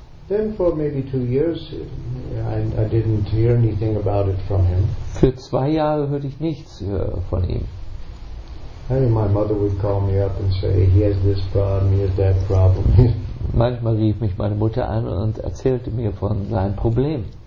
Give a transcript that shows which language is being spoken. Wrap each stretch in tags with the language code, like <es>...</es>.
<en>Then for maybe 2 years, I didn't hear anything about it from him.</en> <de>Für 2 Jahre hörte ich nichts von ihm.</de> <en>And my mother would call me up and say, he has this problem, he has that problem.</en> <de>Manchmal rief mich meine Mutter an und erzählte mir von seinem Problem.</de>